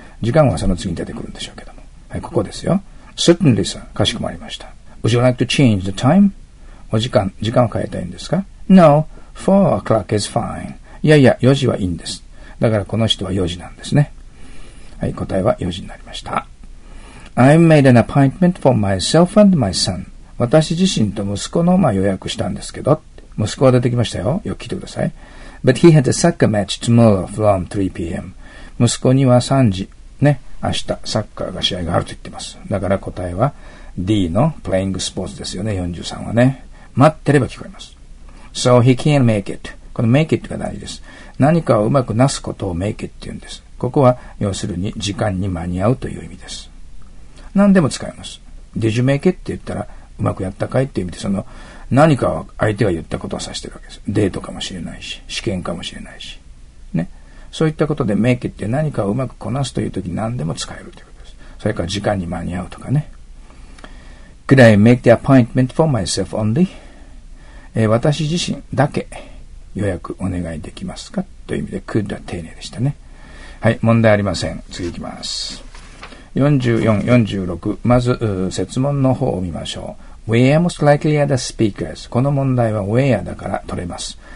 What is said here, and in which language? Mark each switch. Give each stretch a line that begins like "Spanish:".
Japanese: 時間はその次に出てくるんでしょうけども。はい、ここですよ。
English: Certainly, sir.
Japanese: かしこまりました。
English: Would you like to change the time?
Japanese: お時間、時間を変えたいんですか ?
English: No, 4 o'clock is fine.
Japanese: いやいや、4時はいいんです。だからこの人は4時なんですね。はい、答えは4時になりました。
English: I made an appointment for myself and my son.
Japanese: 私自身と息子の、まあ、予約したんですけど、息子は出てきましたよ。よく聞いてください。
English: But he had a soccer match tomorrow from 3pm.
Japanese: 息子には3時。ね、明日サッカーが試合があると言ってます。だから答えは D の playing sports ですよね。 43はね、待ってれば聞こえます。
English: So he can't make it.
Japanese: この make it が大事です。何かをうまくなすことを make it って言うんです。ここは要するに時間に間に合うという意味です。何でも使えます。
English: Did you make it?
Japanese: って言ったらうまくやったかいっていう意味で、その何かを相手が言ったことを指してるわけです。デートかもしれないし、試験かもしれないしね。そういったことで make it って何かをうまくこなすというとき何でも使えるということです。それから時間に間に合うとかね。
English: Could I make the appointment for myself only?
Japanese: 私自身だけ予約お願いできますかという意味で could は丁寧でしたね。はい、問題ありません。次いきます。44、46。まず、設問の方を見ましょう。
English: Where most likely are the speakers?
Japanese: この問題は where だから取れます。